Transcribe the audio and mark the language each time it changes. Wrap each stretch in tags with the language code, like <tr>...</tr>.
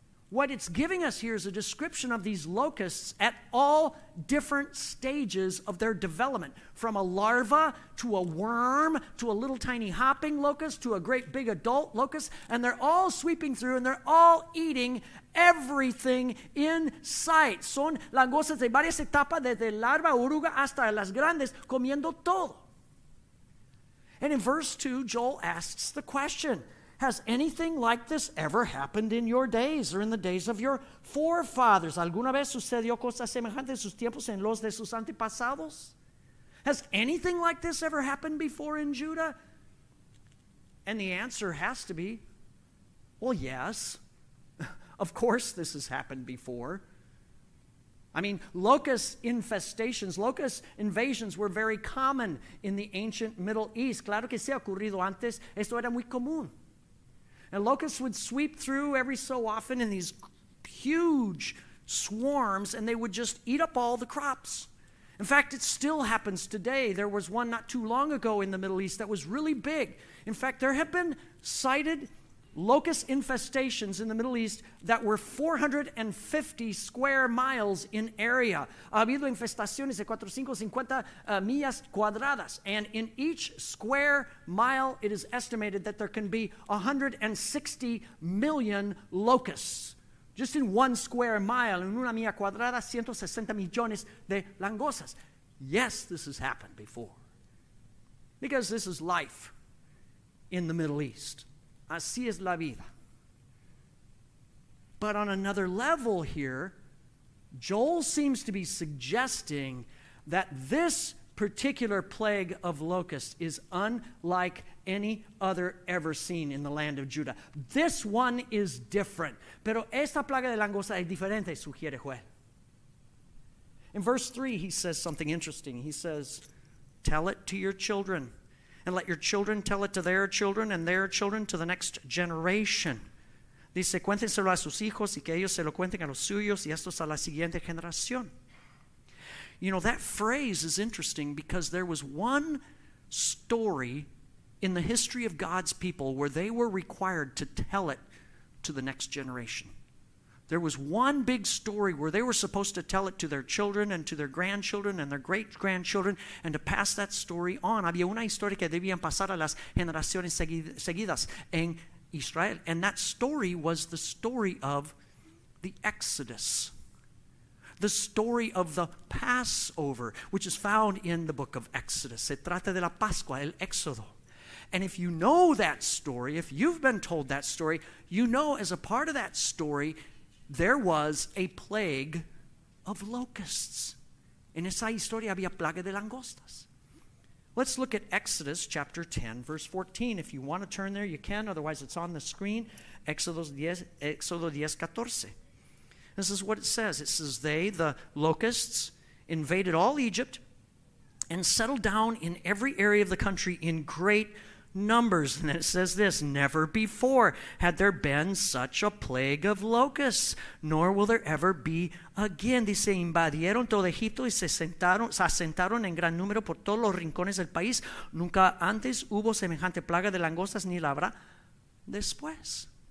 <en>What it's giving us here is a description of these locusts at all different stages of their development, from a larva to a worm to a little tiny hopping locust to a great big adult locust, and they're all sweeping through and they're all eating everything in sight.</en> <es>Son langostas de varias etapas, desde larva, oruga hasta las grandes, comiendo todo.</es> <en>And in verse 2, Joel asks the question, has anything like this ever happened in your days or in the days of your forefathers?</en> <es>¿Alguna vez sucedió cosa semejante en sus tiempos, en los de sus antepasados?</es> <en>Has anything like this ever happened before in Judah? And the answer has to be, well, yes. Of course this has happened before. I mean, locust infestations, locust invasions were very common in the ancient Middle East.</en> <es>Claro que sí, ha ocurrido antes. Esto era muy común.</es> <en>And locusts would sweep through every so often in these huge swarms, and they would just eat up all the crops. In fact, it still happens today. There was one not too long ago in the Middle East that was really big. In fact, there have been sighted locust infestations in the Middle East that were 450 square miles in area.</en> <es>Ha habido infestaciones de 450 millas cuadradas.</es> <en>And in each square mile, it is estimated that there can be 160 million locusts. Just in one square mile,</en> <es>en una milla cuadrada, 160 millones de langostas.</es> <en>Yes, this has happened before. Because this is life in the Middle East.</en> <es>Así es la vida.</es> <en>But on another level here, Joel seems to be suggesting that this particular plague of locusts is unlike any other ever seen in the land of Judah. This one is different.</en> <es>Pero esta plaga de langosta es diferente, sugiere Joel.</es> <en>In verse 3, he says something interesting. He says, tell it to your children. And let your children tell it to their children and their children to the next generation.</en> <es>Dice, cuéntenselo a sus hijos y que ellos se lo cuenten a los suyos y estos a la siguiente generación.</es> <en>You know, that phrase is interesting because there was one story in the history of God's people where they were required to tell it to the next generation. There was one big story where they were supposed to tell it to their children and to their grandchildren and their great-grandchildren and to pass that story on.</en> <es>Había una historia que debían pasar a las generaciones seguidas en Israel.</es> <en>And that story was the story of the Exodus. The story of the Passover, which is found in the book of Exodus.</en> <es>Se trata de la Pascua, el Éxodo.</es> <en>And if you know that story, if you've been told that story, you know as a part of that story, there was a plague of locusts.</en> <es>En esa historia había plaga de langostas.</es> <en>Let's look at Exodus chapter 10, verse 14. If you want to turn there, you can. Otherwise, it's on the screen. Exodus 10, 14. This is what it says. It says, they, the locusts, invaded all Egypt and settled down in every area of the country in great numbers. And then it says this, never before had there been such a plague of locusts, nor will there ever be again.</en> <es>Dice, invadieron todo Egipto y se asentaron en gran número por todos los rincones del país. Nunca antes hubo semejante plaga de langostas ni la habrá después.</es>